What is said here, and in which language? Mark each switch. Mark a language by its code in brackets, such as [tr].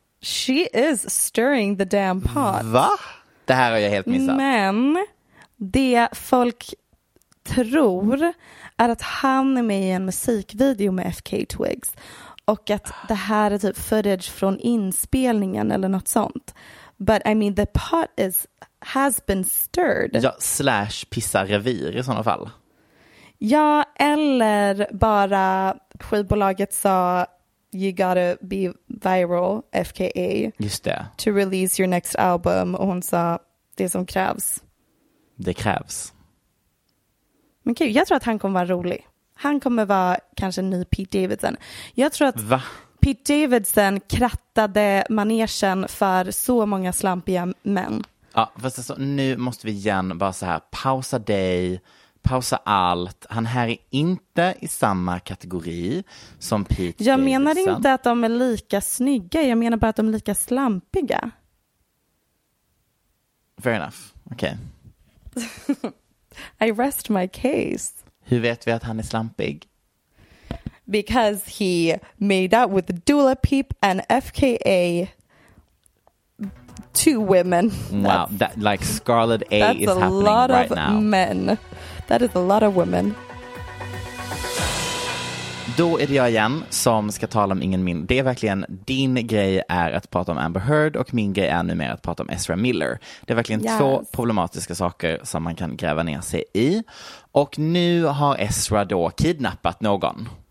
[en] She is stirring the damn pot. [sv] Va? Det här har jag helt missat. Men det folk tror är att han är med i en musikvideo med FKA Twigs. Och att det här är typ footage från inspelningen eller något sånt. [en] But I mean, the pot has been stirred. [sv] Ja, slash pissa revir i sådana fall. Ja, eller bara skivbolaget sa [en] you gotta be viral, [sv] FKA. Just det. [en] To release your next album. [sv] Och hon sa det som krävs. Det krävs. Men okej, jag tror att han kommer vara rolig. Han kommer vara kanske en ny Pete Davidson. Jag tror att Pete Davidson krattade manegen för så många slampiga män. Ja, fast alltså, nu måste vi igen bara så här, pausa dig, pausa allt. Han här är inte i samma kategori som Pete Davidson. Jag menar inte att de är lika snygga, jag menar bara att de är lika slampiga. [en] Fair enough. Okej. Okay. I rest my case. [sv] Hur vet vi att han är slampig? [en] Because he made out with Dula Peep and FKA two women. Wow, that like Scarlet A is happening right now. That's a lot of men. That is a lot of women. [sv] Då är det jag igen som ska tala om ingen min. Det är verkligen, din grej är att prata om Amber Heard och min grej är numera att prata om Ezra Miller. Det är verkligen två problematiska saker som man kan gräva ner sig i. Och nu har Ezra då kidnappat någon.